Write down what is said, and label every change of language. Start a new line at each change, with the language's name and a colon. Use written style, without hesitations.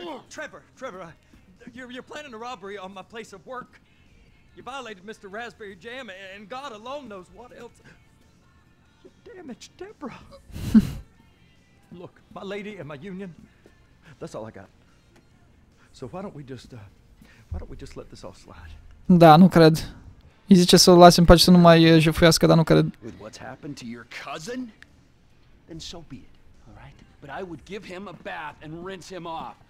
English: Trevor, you're planning a robbery on my place of work. You violated Mr. Raspberry Jam, and God alone knows what else. You damaged Deborah. Look, my lady and my union, that's all I got. So why don't we just let this all slide?
Romanian: Da, nu cred. Îi zice să o lase în pace, să nu mai jefuiască, dar nu cred.
English: With what's happened to your cousin? Then so be it, all right? But I would give him a bath and rinse him off.